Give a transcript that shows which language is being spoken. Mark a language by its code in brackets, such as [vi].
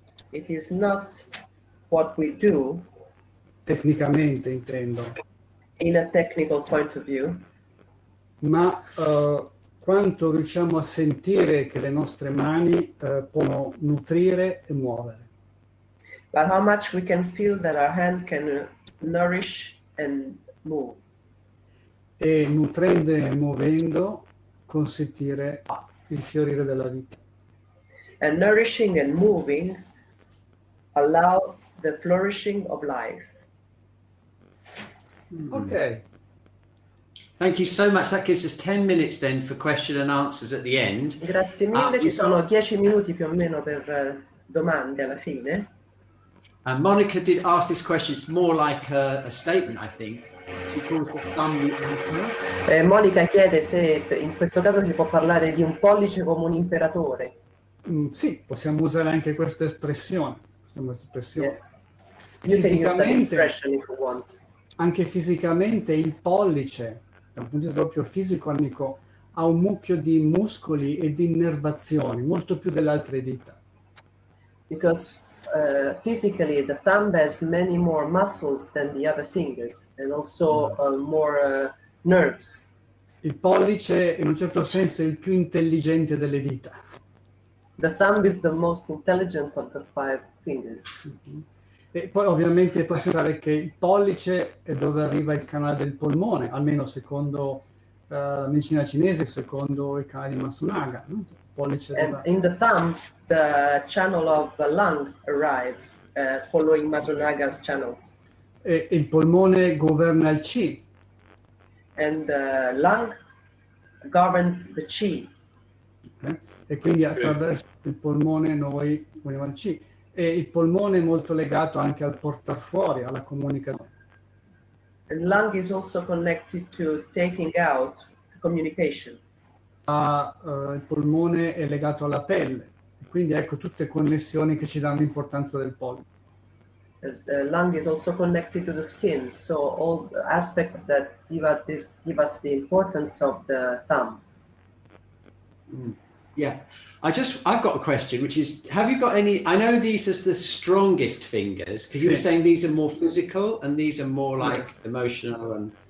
[en] It is not what we do. [it] Tecnicamente, intendo. [en] In a technical point of view. [it] Ma quanto riusciamo a sentire che le nostre mani possono nutrire e muovere. [en] But how much we can feel that our hand can nourish and move. [it] E nutrendo e muovendo consentire il fiorire della vita. [en] And nourishing and moving allow the flourishing of life. Ok. Thank you so much. That gives us 10 minutes then for question and answers at the end. [it] Grazie mille. Ci sono 10 minuti più o meno per domande alla fine. [en] And Monica did ask this question. It's more like a statement, I think. She calls the thumb the emperor. [it] Monica chiede se in questo caso si può parlare di un pollice come un imperatore. Sì, possiamo usare anche questa espressione. [en] Yes. You can use that expression if you want. [it] Anche fisicamente il pollice, da un punto di vista proprio fisico, amico, ha un mucchio di muscoli e di innervazioni, molto più delle altre dita. [en] Because physically the thumb has many more muscles than the other fingers and also more nerves. [it] Il pollice in un certo senso è il più intelligente delle dita. [en] The thumb is the most intelligent of the five fingers. Mm-hmm. [it] E poi ovviamente puoi pensare che il pollice è dove arriva il canale del polmone, almeno secondo la medicina cinese, secondo i canali di Matsunaga. No? Il pollice and arriva. [en] In the thumb, the channel of the lung arrives, following Matsunaga's channels. [it] E il polmone governa il chi. [en] And the lung governs the chi. Okay. [it] E quindi attraverso il polmone noi governiamo il chi. E il polmone è molto legato anche al portar fuori, alla comunicazione. [en] The lung is also connected to taking out communication. [it] Il polmone è legato alla pelle, quindi ecco tutte connessioni che ci danno importanza del polmone. [en] The lung is also connected to the skin, so all the aspects that give us the importance of the thumb. Yeah, I've got a question, which is, have you got any, I know these are the strongest fingers, because you were saying these are more physical and these are more like emotional and...